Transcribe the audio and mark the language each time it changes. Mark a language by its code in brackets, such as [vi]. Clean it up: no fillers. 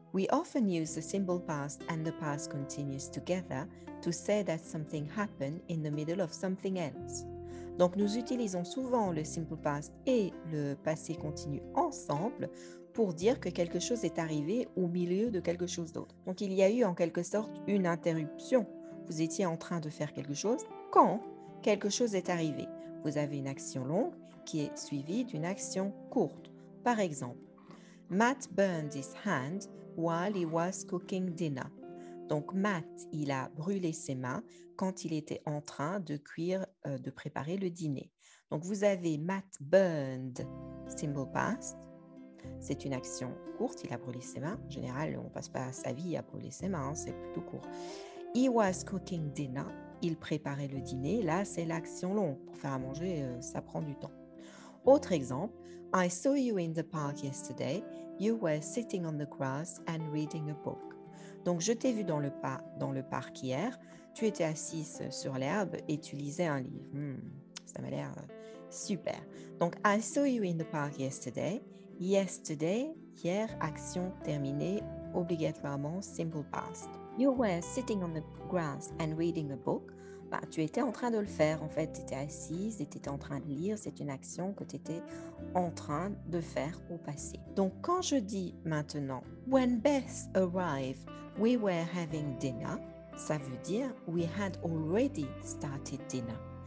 [en] We often use the simple past and the past continuous together to say that something happened in the middle of something else. [fr] Donc, nous utilisons souvent le simple past et le passé continu ensemble pour dire que quelque chose est arrivé au milieu de quelque chose d'autre. Donc, il y a eu en quelque sorte une interruption. Vous étiez en train de faire quelque chose quand quelque chose est arrivé. Vous avez une action longue qui est suivie d'une action courte. Par exemple, [en] Matt burned his hand while he was cooking dinner. [fr] Donc, Matt, il a brûlé ses mains quand il était en train de cuire, de préparer le dîner. Donc, vous avez [en] Matt burned, [fr] simple past. C'est une action courte, il a brûlé ses mains. En général, on ne passe pas sa vie à brûler ses mains, hein, c'est plutôt court. [en] He was cooking dinner. [fr] Il préparait le dîner. Là, c'est l'action longue. Pour faire à manger, ça prend du temps. Autre exemple. [en] I saw you in the park yesterday. You were sitting on the grass and reading a book. [fr] Donc, je t'ai vu dans le parc hier. Tu étais assise sur l'herbe et tu lisais un livre. Ça m'a l'air super. Donc, [en] I saw you in the park yesterday. [fr] Yesterday, hier, action terminée, obligatoirement, simple past. [en] You were sitting on the grass and reading a book. [fr] Bah, tu étais en train de le faire, en fait, tu étais assise, tu étais en train de lire, c'est une action que tu étais en train de faire au passé. Donc, quand je dis maintenant, [en] when Beth arrived, we were having dinner, [fr] ça veut dire, [en] we had already started dinner.